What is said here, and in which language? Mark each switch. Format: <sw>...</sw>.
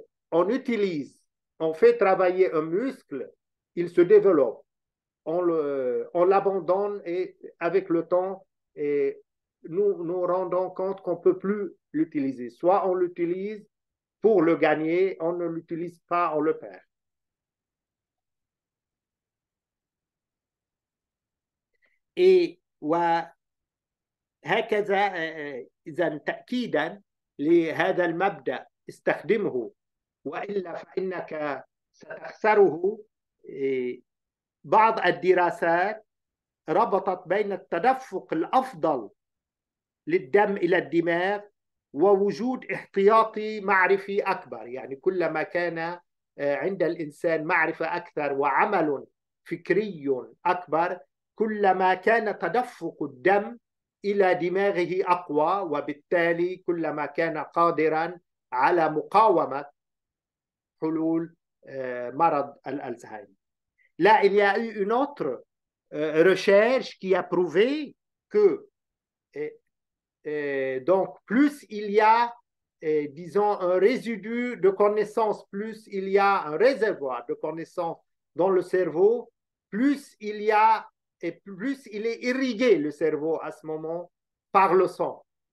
<fr>On utilise, on fait travailler un muscle, il se développe. On l'abandonne et avec le temps, et nous nous rendons compte qu'on ne peut plus l'utiliser. Soit on l'utilise pour le gagner, on ne l'utilise pas, on le perd.</fr> <ar>Et هكذا إذا تأكيدا لهذا المبدأ استخدمه، وإلا فإنك ستخسره. بعض الدراسات ربطت بين التدفق الأفضل للدم إلى الدماغ ووجود احتياطي معرفي أكبر. يعني كلما كان عند الإنسان معرفة أكثر وعمل فكري أكبر، كلما كان تدفق الدم إلى دماغه أقوى، وبالتالي كلما كان قادرا على مقاومة حلول مرض الألزهايمر.</ar> <fr>Là, il y a eu une autre recherche qui a prouvé que donc plus il y a, disons, un résidu de connaissances, plus il y a un réservoir de connaissances dans le cerveau, plus il y a et plus il est irrigué le cerveau à ce moment par le sang.</fr>